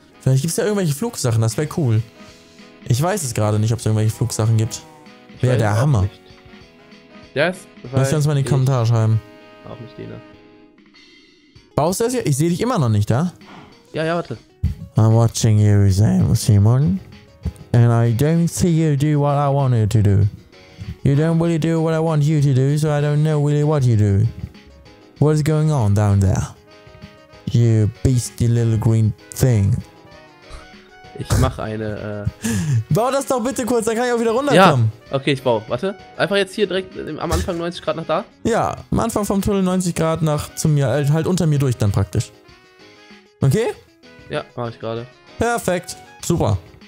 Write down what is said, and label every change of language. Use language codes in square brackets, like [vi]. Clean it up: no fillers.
[de] Vielleicht gibt's ja irgendwelche Flugsachen, das wäre cool. Ich weiß es gerade nicht, ob es irgendwelche Flugsachen gibt. Wäre der Hammer. Das? Lass uns mal in die Kommentare schreiben. Auch nicht den, ne? Baust du das hier? Ich sehe dich immer noch nicht, da. Ja, ja, warte. [en] I'm watching you, Simon. And I don't see you do what I want you to do. You don't really do what I want you to do, so I don't know really what you do. What is going on down there? You beastly little green thing. [de] Ich mach eine, Bau das doch bitte kurz, dann kann ich auch wieder runterkommen. Ja, okay, ich baue. Warte. Einfach jetzt hier direkt am Anfang 90 Grad nach da? Ja, am Anfang vom Tunnel 90 Grad nach zu mir, halt unter mir durch dann praktisch. Okay? Ja, mach ich gerade. Perfekt, super.